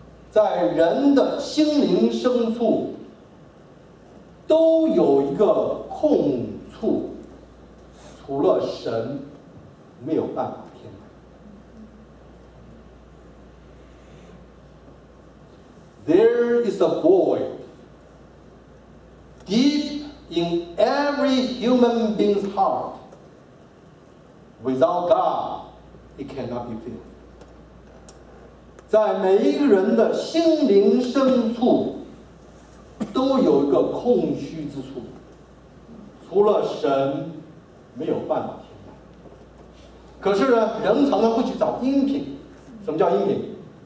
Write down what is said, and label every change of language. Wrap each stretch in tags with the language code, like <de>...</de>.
<zh>在人的心灵深处都有一个空处，除了神没有办法填满。</zh> <en>There is a void deep in every human being's heart. Without God, it cannot be filled.</en> <zh>在每一个人的心灵深处都有一个空虚之处，除了神没有办法填满。可是呢，人常常会去找阴品。什么叫阴品？</zh>